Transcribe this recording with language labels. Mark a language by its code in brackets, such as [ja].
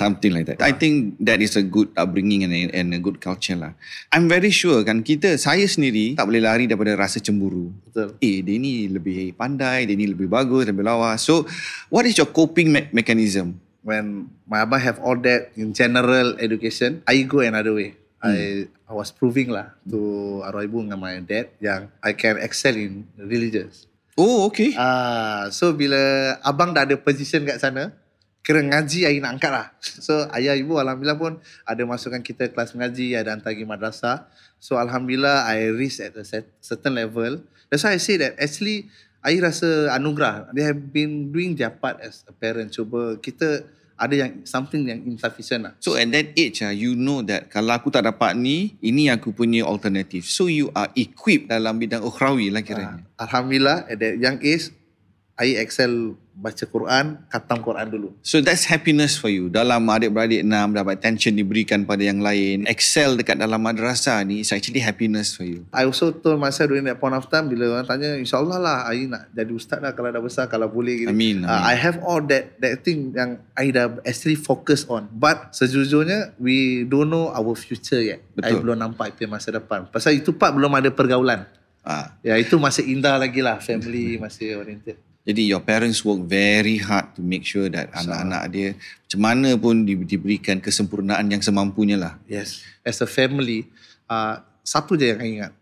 [en] Something like that. I think that is a good upbringing and a good culture lah. I'm very sure [ms] kan, kita, saya sendiri, tak boleh lari daripada rasa cemburu. Betul. Eh, dia ni lebih pandai, dia ni lebih bagus, lebih lawa. [en] So, what is your coping mechanism? When my abah have all that in general education, I go another way. I was proving lah to arwah ibu dengan my dad yang I can excel in religious. Oh, okay. [ms] So, bila abang dah ada position kat sana, kira ngaji I nak angkat lah. So, ayah ibu alhamdulillah pun ada masukkan kita kelas mengaji, ada hantar pergi madrasah. [en] So, alhamdulillah I reach at a certain level. That's why I say that actually, [ms] I rasa anugerah. [en] They have been doing their part as a parent. [ms] Cuba kita ada yang something yang insufficient lah. [en] So at that age, you know that [ms] kalau aku tak dapat ni, ini aku punya alternative. [en] So you are equipped [ms] dalam bidang ukhrawi lah kiranya. [en] Alhamdulillah, at that young age, I excel [ms] baca Quran, khatam Quran dulu. [en] So that's happiness for you. [ms] Dalam adik-beradik enam, dapat attention diberikan pada yang lain. Excel dekat dalam madrasah ni, [en] it's actually happiness for you. I also told myself during that point of time, [ms] bila orang tanya, insyaAllah lah, I nak jadi ustaz lah kalau dah besar, kalau boleh. Gitu. Amin. [en] I have all that thing [ms] yang I dah [en] actually focus on. But [ms] sejujurnya, [en] we don't know our future yet. [ms] Betul. I belum nampak itu masa depan. Pasal itu part belum ada pergaulan. Ya, itu masih indah lagi lah, family masih oriented. Jadi [en] your parents work very hard to make sure that so, [ms] anak-anak dia macam mana pun diberikan kesempurnaan yang semampunya lah. [en] Yes. As a family, [ms] satu je yang I ingat.